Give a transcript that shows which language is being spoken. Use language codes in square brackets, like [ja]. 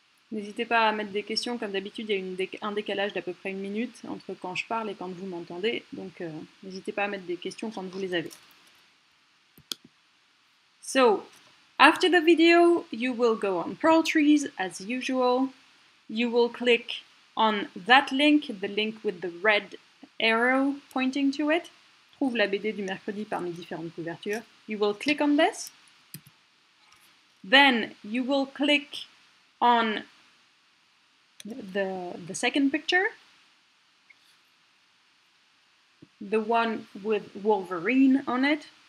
[fr] N'hésitez pas à mettre des questions, comme d'habitude, il y a un décalage d'à peu près une minute entre quand je parle et quand vous m'entendez, donc n'hésitez pas à mettre des questions quand vous les avez. [en] So, after the video, you will go on Pearltrees, as usual. You will click on that link, the link with the red arrow pointing to it. [fr] trouve la BD du mercredi parmi différentes couvertures. [en] You will click on this. Then you will click on the second picture. The one with Wolverine on it.